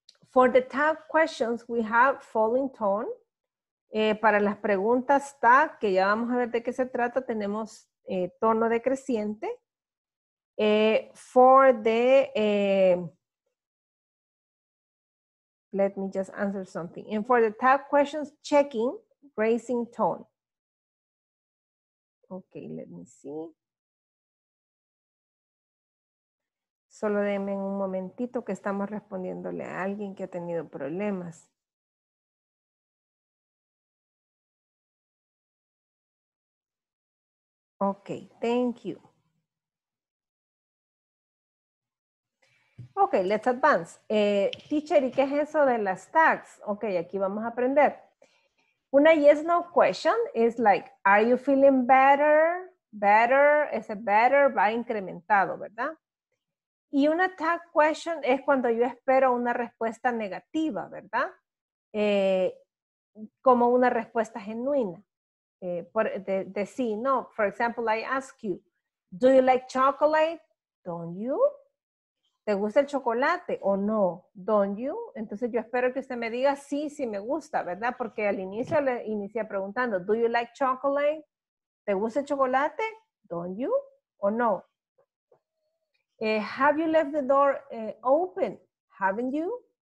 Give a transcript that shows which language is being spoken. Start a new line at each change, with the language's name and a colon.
English: For the tag questions, we have falling tone.
Spanish: Para las preguntas tag, que ya vamos a ver de qué se trata, tenemos tono decreciente.
English: For the, let me just answer something. And for the tag questions, checking, raising tone. Okay, let me see.
Spanish: Solo denme un momentito que estamos respondiéndole a alguien que ha tenido problemas.
English: Ok, thank you. Ok, let's advance.
Spanish: Teacher, ¿y qué es eso de las tags? Ok, aquí vamos a aprender.
English: Una yes, no question is like, are you feeling better?
Spanish: Better, ese better va incrementado, ¿verdad? Y una tag question es cuando yo espero una respuesta negativa, ¿verdad? Como una respuesta genuina. De sí, no.
English: For example, I ask you, do you like chocolate? Don't you?
Spanish: ¿Te gusta el chocolate o no? Don't you? Entonces yo espero que usted me diga sí, sí me gusta, ¿verdad? Porque al inicio le inicié preguntando,
English: do you like chocolate?
Spanish: ¿Te gusta el chocolate?
English: Don't you?
Spanish: ¿O no?
English: Have you left the door open? Haven't you?